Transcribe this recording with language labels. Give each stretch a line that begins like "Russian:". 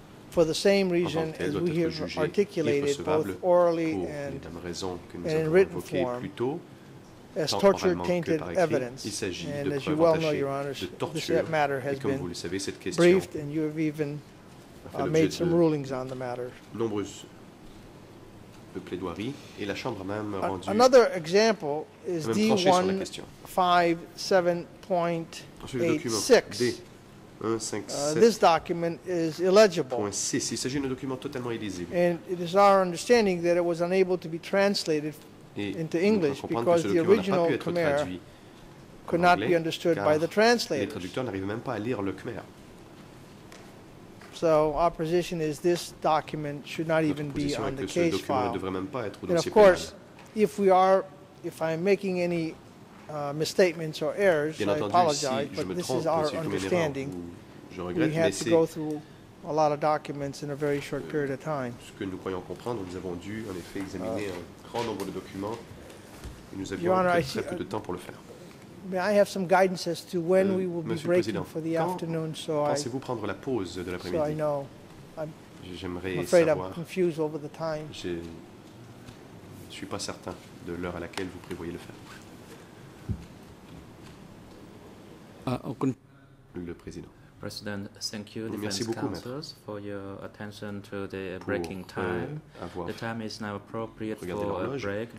English: for the same reason as we have articulated both orally and in written form. As tortured, tainted evidence, and as you well know, Your Honors, this matter has been
French: savez,
English: briefed, and you have even made some rulings on the matter.
French: Nombreuses plaidoiries et la chambre même a rendu
English: another example is D157.86. This document is illegible.
French: Six. Il s'agit d'un document totalement illisible.
English: And it is our understanding that it was unable to be translated into English because the original Khmer could not be understood by the translators.
French: Les traducteurs n'arrivent même pas à lire le Khmer.
English: So our position is this document should not even be on the case file. And of course, if we are, if I'm making any misstatements or errors, I apologize, but this is our understanding. We had to go through a lot of documents in a very short period of time.
French: Ce que nous croyons comprendre, nous avons dû en effet examiner nombre de documents et nous avions
English: Honor,
French: très peu de temps pour le faire.
English: May I have some guidance as to when we will be breaking for the afternoon, so
French: pensez-vous prendre la pause de l'après-midi?
English: So I know.
French: J'aimerais
English: I'm afraid
French: savoir.
English: I'm confused over the time.
French: Je ne suis pas certain de l'heure à laquelle vous prévoyez le faire. Aucun... Le président.
English: President, thank you, defense counsels, for your attention to the breaking time. The time is now appropriate for a break.